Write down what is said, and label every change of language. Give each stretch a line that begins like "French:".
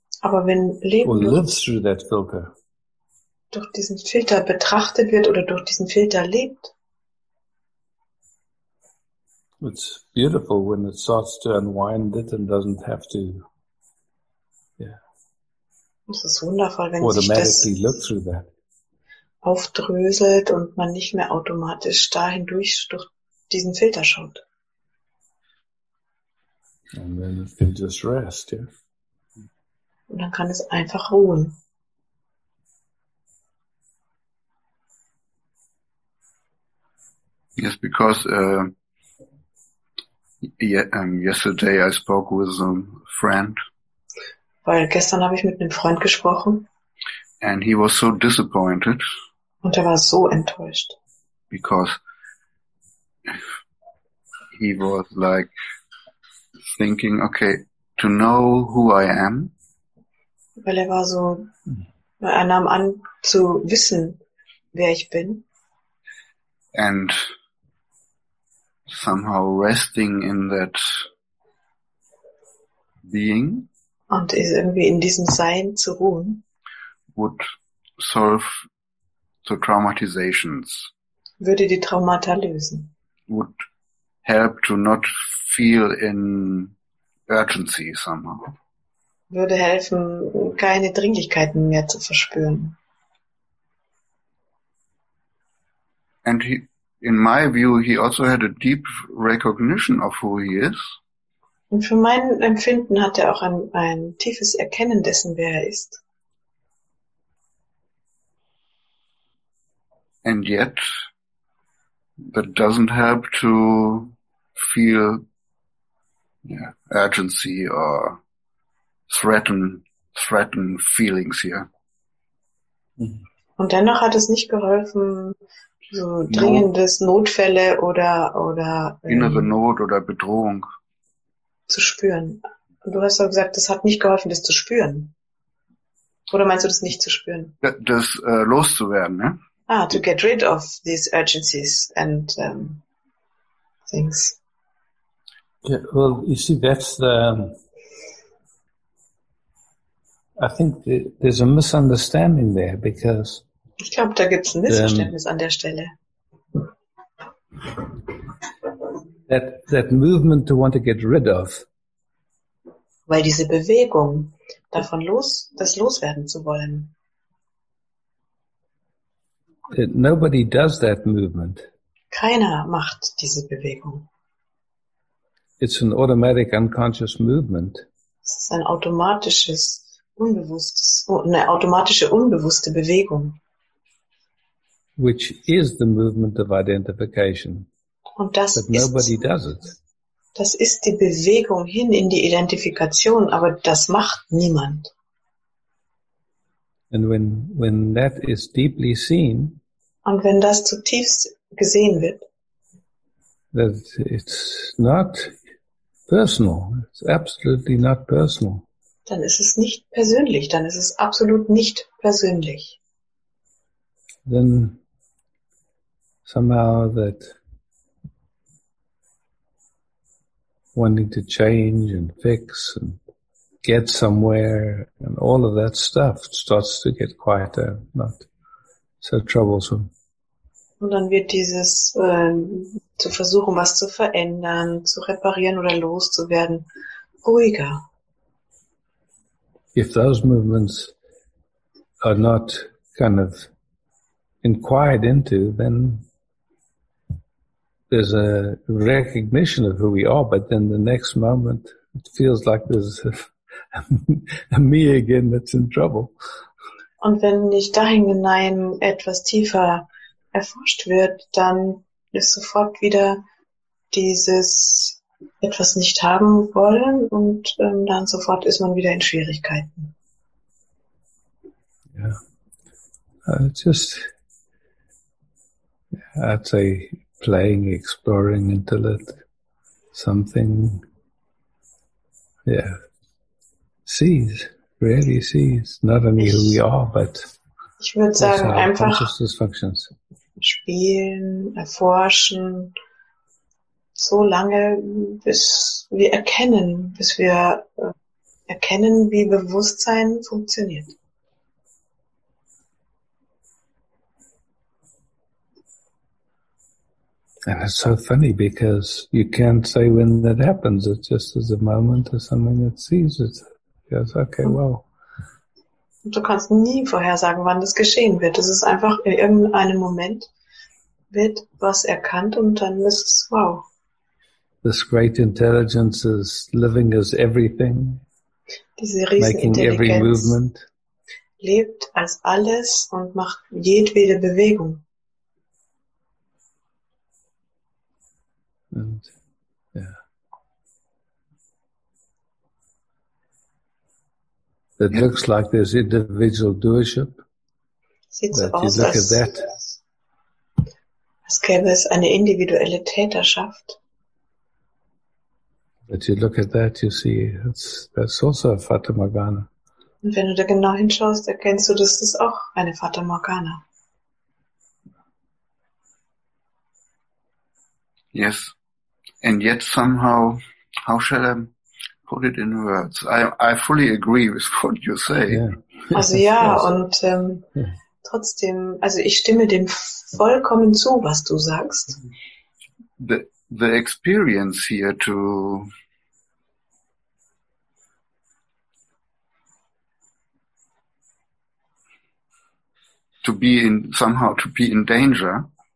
German: aber wenn Leben
English: lives through that filter,
German: durch diesen Filter betrachtet wird oder durch diesen Filter lebt,
English: it's beautiful when it starts to unwind it and doesn't have to.
German: Es ist wundervoll, wenn sich das aufdröselt und man nicht mehr automatisch da hindurch durch diesen Filter schaut.
English: And then it can just rest, yeah?
German: Und dann kann es einfach ruhen.
English: Yes, because yesterday I spoke with a friend.
German: Weil gestern habe ich mit einem Freund gesprochen.
English: And he was so disappointed.
German: Und war so enttäuscht.
English: Because he was like thinking, okay, to know who I am.
German: Weil war so, nahm an zu wissen, wer ich bin.
English: And somehow resting in that being.
German: Und ist irgendwie in diesem Sein zu ruhen.
English: Would solve the traumatizations.
German: Würde die Traumata lösen.
English: Would help to not feel in urgency somehow.
German: Würde helfen, keine Dringlichkeiten mehr zu verspüren.
English: And he, in my view, he also had a deep recognition of who he is.
German: Und für mein Empfinden hat auch ein tiefes Erkennen dessen, wer ist.
English: And yet, that doesn't help to feel urgency or threaten feelings here.
German: Und dennoch hat es nicht geholfen, so dringendes Notfälle oder innere Not oder Bedrohung zu spüren. Du hast doch gesagt, das hat nicht geholfen, das zu spüren. Oder meinst du, das nicht zu spüren? Das loszuwerden, ne?
English: Ah, to get rid of these urgencies and things. Yeah, well, you see, that's the... I think there's a misunderstanding there, because...
German: Ich glaube, da gibt's ein Missverständnis an der Stelle.
English: That movement to want to get rid of.
German: Weil diese Bewegung davon los, das loswerden zu wollen.
English: Nobody does that movement.
German: Keiner macht diese Bewegung.
English: It's an automatic unconscious movement.
German: Es ist ein automatisches, unbewusstes, eine automatische, unbewusste Bewegung.
English: Which is the movement of identification.
German: Und das,
English: but nobody
German: ist,
English: does it.
German: Das ist die Bewegung hin in die Identifikation, aber das macht niemand.
English: And when that is deeply seen,
German: und wenn das zutiefst gesehen wird,
English: that it's not personal, it's absolutely not personal.
German: dann ist es nicht persönlich, dann ist es absolut nicht persönlich.
English: Then somehow that wanting to change and fix and get somewhere and all of that stuff starts to get quieter, not so troublesome.
German: Und dann wird dieses zu versuchen, was zu verändern, zu reparieren oder loszuwerden, ruhiger.
English: If those movements are not kind of inquired into, then there's a recognition of who we are, but then the next moment it feels like there's a me again that's in trouble.
German: Und wenn nicht dahingehend etwas tiefer erforscht wird, dann ist sofort wieder dieses etwas nicht haben wollen und dann sofort ist man wieder in Schwierigkeiten. Ja.
English: I'd say playing, exploring until it something, yeah, sees, really sees, not only who we are, but
German: ich würde sagen, also einfach
English: consciousness functions.
German: Spielen, erforschen, so lange, bis wir erkennen, wie Bewusstsein funktioniert.
English: And it's so funny because you can't say when that happens. It's just as a moment or something that sees it. Yes, okay, well.
German: Und du kannst nie vorhersagen, wann das geschehen wird. Es ist einfach in irgendeinem Moment wird was erkannt und dann ist es wow.
English: This great intelligence is living as everything.
German: Diese Riesenintelligenz lebt als alles und macht jedwede Bewegung.
English: And yeah, it looks like there's individual doership.
German: Sieht so aus, als that. Es gäbe es eine individuelle Täterschaft.
English: But you look at that, you see, that's also a Fata Morgana.
German: Und wenn du da genau hinschaust, erkennst du, dass das auch eine Fata Morgana.
English: Yes. And yet somehow, how shall I put it in words? I fully agree with what you say. Yeah.
German: Also ja, und trotzdem, also ich stimme dem vollkommen zu, was du sagst.
English: The experience here to be in danger.